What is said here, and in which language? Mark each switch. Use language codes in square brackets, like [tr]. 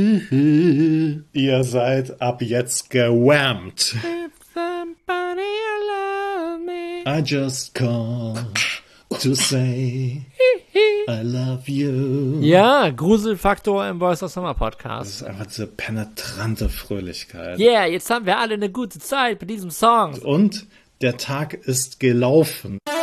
[de] Ihr seid ab jetzt gewärmt. [en] If somebody love me. I just called to say I love you. [de] Ja, Gruselfaktor im Boys of Summer Podcast. Das ist einfach diese penetrante Fröhlichkeit. Yeah, jetzt haben wir alle eine gute Zeit bei diesem Song. Und der Tag ist gelaufen.